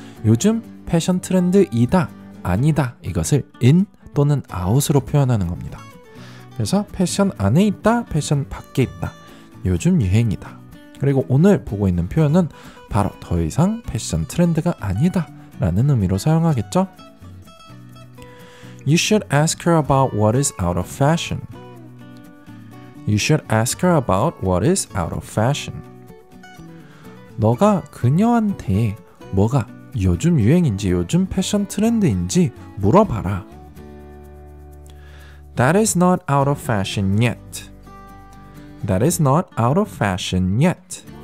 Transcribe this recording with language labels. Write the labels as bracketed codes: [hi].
[ko] 요즘 패션 트렌드이다, 아니다 이것을 in 또는 out으로 표현하는 겁니다. 그래서 패션 안에 있다, 패션 밖에 있다, 요즘 유행이다. 그리고 오늘 보고 있는 표현은 바로 더 이상 패션 트렌드가 아니다 라는 의미로 사용하겠죠? [en] You should ask her about what is out of fashion. You should ask her about what is out of fashion. [ko] 너가 그녀한테 뭐가 요즘 유행인지 요즘 패션 트렌드인지 물어봐라. [en] That is not out of fashion yet. That is not out of fashion yet.